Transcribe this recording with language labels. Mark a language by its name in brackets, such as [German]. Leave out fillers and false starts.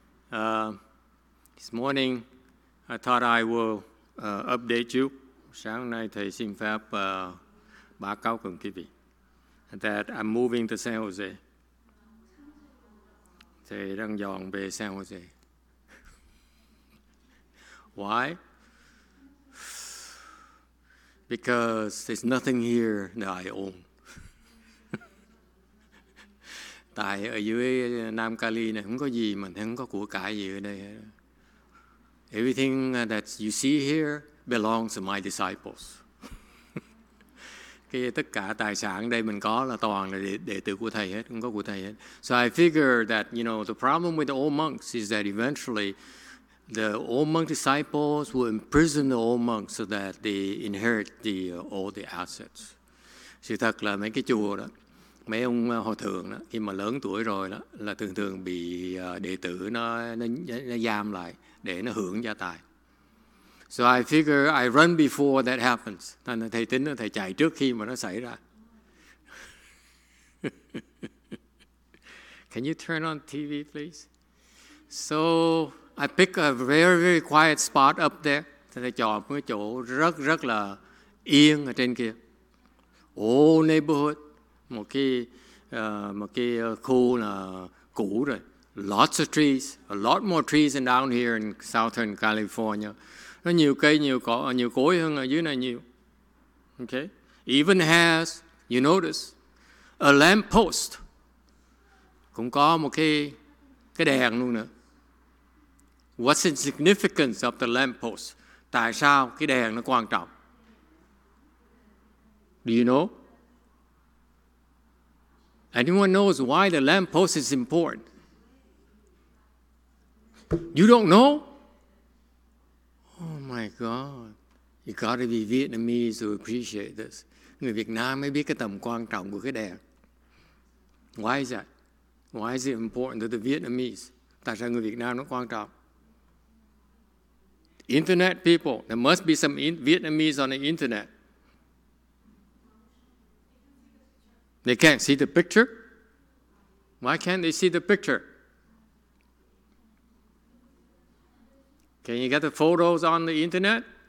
[English] This morning, I thought I will update you. [Vietnamese] Sáng nay thầy xin phép báo cáo cùng quý vị [English] that I'm moving to San Jose. [Vietnamese] Thầy đang dọn về San Jose. [English] Why? Because there's nothing here that I own. [Vietnamese] Tại ở dưới Nam Cali này không có gì mà không có của cải gì ở đây. [English] Everything that you see here belongs to my disciples. [Vietnamese] Cái tất cả tài sản đây mình có là toàn là đệ tử của thầy hết, không có của thầy hết. [English] So I figure that, you know, the problem with the old monks is that eventually the old monk disciples will imprison the old monks so that they inherit the all the assets. [Vietnamese] Sự thật là mấy cái chùa đó, mấy ông hòa thượng đó, khi mà lớn tuổi rồi đó, là thường thường bị đệ tử nó giam lại để nó hưởng gia tài. [English] So I figure I run before that happens. [Vietnamese] Thầy tính là thầy chạy trước khi mà nó xảy ra. [English] Can you turn on TV, please? So I pick a very, very quiet spot up there. [Vietnamese] Thầy chọn một chỗ rất, rất là yên ở trên kia. [English] Old neighborhood. [Vietnamese] Một cái khu là cũ rồi. [English] Lots of trees. A lot more trees than down here in Southern California. [Vietnamese] Nó nhiều cây, nhiều cối hơn ở dưới này nhiều. Okay. [English] Even has, you notice, a lamp post. [Vietnamese] Cũng có một cái đèn luôn nữa. [English] What's the significance of the lamp post? [Vietnamese] Tại sao cái đèn nó quan trọng? [English] Do you know? Anyone knows why the lamp post is important? You don't know? Oh my God, you got to be Vietnamese to appreciate this. [Vietnamese] Người Việt Nam mới biết cái tầm quan trọng của cái đèn. [English] Why is that? Why is it important to the Vietnamese? [Vietnamese] Tại sao người Việt Nam nó quan trọng? [English] Internet people, there must be some Vietnamese on the internet. They can't see the picture? Why can't they see the picture? Can you get the photos on the internet?